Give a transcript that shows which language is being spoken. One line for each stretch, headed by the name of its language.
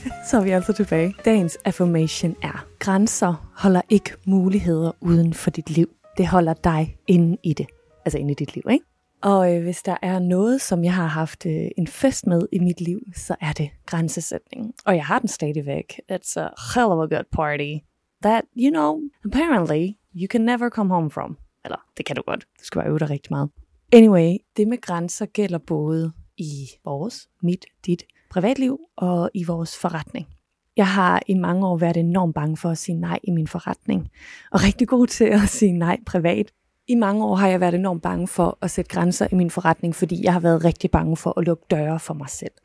Danish: Så er vi altså tilbage. Dagens affirmation er, grænser holder ikke muligheder uden for dit liv. Det holder dig inde i det. Altså inde i dit liv, ikke? Og hvis der er noget, som jeg har haft en fest med i mit liv, så er det grænsesætning. Og jeg har den stadigvæk.
English: It's a hell of a good party that, you know, apparently you can never come home from.
Danish: Eller, det kan du godt. Du skal bare øve dig rigtig meget. Anyway, det med grænser gælder både i vores, mit, dit privatliv og i vores forretning. Jeg har i mange år været enormt bange for at sige nej i min forretning. Og rigtig god til at sige nej privat. I mange år har jeg været enormt bange for at sætte grænser i min forretning, fordi jeg har været rigtig bange for at lukke døre for mig selv.